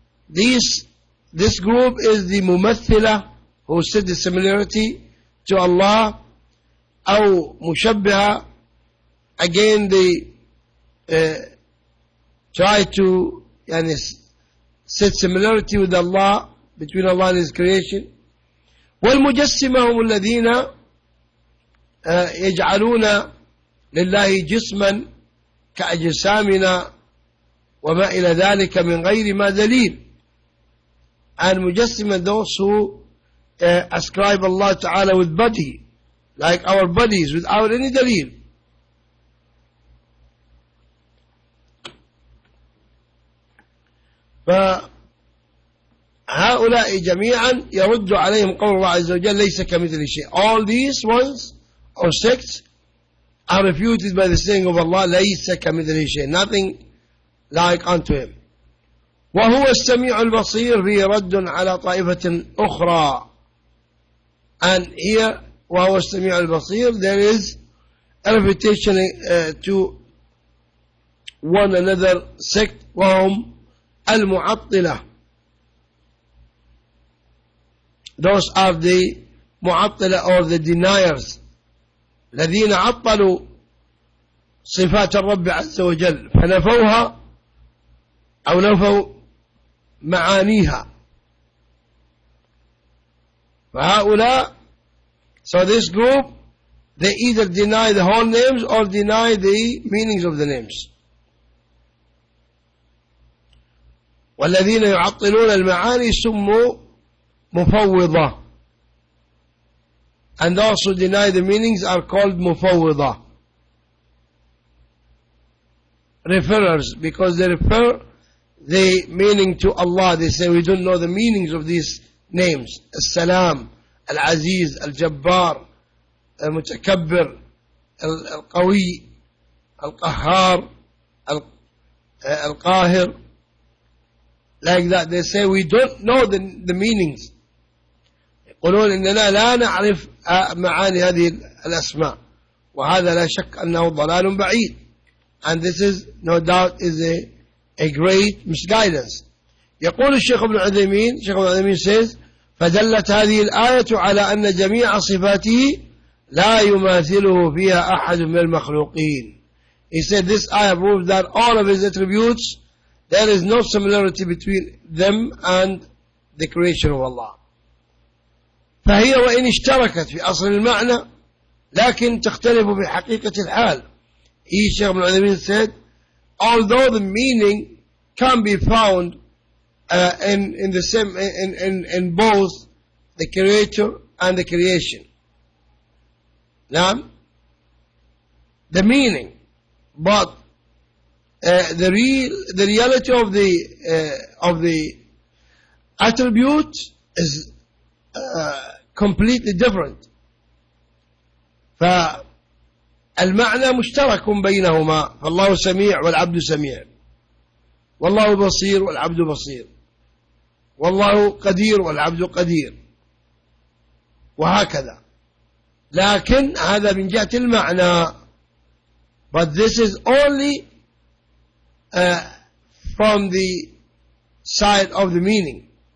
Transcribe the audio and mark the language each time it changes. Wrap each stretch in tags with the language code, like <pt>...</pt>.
<en>This group is the mumathila, who said the similarity to Allah, or mushabbiha, again they try to set similarity with Allah, between Allah and his creation.</en> <ar>والمجسمه هم الذين يجعلون لله جسما كأجسامنا وما إلى ذلك من غير ما دليل.</ar> <en>And مجسم those who ascribe Allah Ta'ala with body, like our bodies, without any دليل.</en> <ar>فهؤلاء جميعا يرد عليهم قول الله عز وجل ليس كمثل شيء.</ar> <en>All these ones or sects are refuted by the saying of Allah</en> <ar>ليس كمثل شيء.</ar> <en>Nothing like unto him.</en> <ar>وهو السميع البصير فيه رد على طائفة أخرى.</ar> <en>And here,</en> <ar>وهو السميع البصير,</ar> <en>there is a refutation to</en> <ar>وانذر سكت وهم المعطلة.</ar> <en>Those are the</en> <ar>معطلة</ar> <en>or the deniers,</en> <ar>الذين عطلوا صفات الرب عز وجل فنفوها أو نفوا معانيها.</ar> <en>فهؤلاء, so this group, they either deny the whole names or deny the meanings of the names.</en> <ar>والذين يعطلون المعاني سموا مفوضة.</ar> <en>And also deny the meanings are called مفوضة. Referers, because they refer the meaning to Allah. They say, we don't know the meanings of these names. As-Salam, Al-Aziz, Al-Jabbar, Al-Mutakabbir, Al-Qawi, Al-Qahhar, Al-Qahir. Like that, they say, we don't know the meanings.</en> <ar>يقولون إننا لا نعرف معاني هذه الأسماء. وهذا لا شك أنه ضلال بعيد.</ar> <en>And this is, no doubt, is a great misguidance.</en> <ar>يقول الشيخ ابن عثيمين, الشيخ ابن عثيمين</ar> <en>says,</en> <ar>فدلت هذه الآية على أن جميع صفاته لا يماثله فيها أحد من المخلوقين.</ar> <en>He said, this ayah proves that all of his attributes, there is no similarity between them and the creation of Allah. فهي وإن اشتركت في أصل المعنى لكن تختلف في حقيقة الحال. He, Shaykh ibn Uthaymeen, said, although the meaning can be found in the same in both the creator and the creation. Naam? The meaning, but the reality of the attribute is completely different.</en> <ar>المعنى مشترك بينهما. فالله سميع والعبد سميع, والله بصير والعبد بصير, والله قدير والعبد قدير, وهكذا. لكن هذا من جهة المعنى.</ar> <en>But this is only from the side of the meaning.</en>